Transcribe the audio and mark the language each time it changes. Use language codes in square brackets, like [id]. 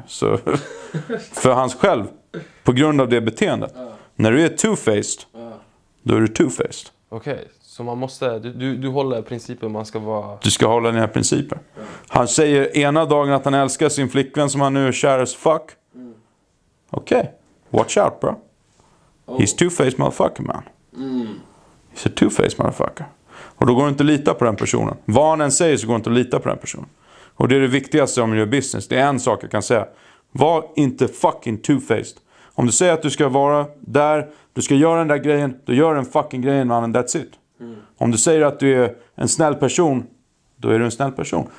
[sv] Så för hans själv, på grund av det beteendet. Ja. När du är two-faced, då är du two-faced. Okej, okay, så man måste... Du håller principen, man ska vara... Du ska hålla dina principer. Han säger ena dagen att han älskar sin flickvän som han nu är kär [en] as fuck. Okej, okay. Watch out, bro. He's two-faced motherfucker, man. He's a two-faced motherfucker. [sv] Och då går du inte att lita på den personen. Vad han än säger så går du inte att lita på den personen. Och det är det viktigaste om du gör business. Det är en sak jag kan säga. Var inte fucking two-faced. Om du säger att du ska vara där, du ska göra den där grejen, då gör den fucking grejen, mannen, [en] that's it. Mm. [sv] Om du säger att du är en snäll person, då är du en snäll person.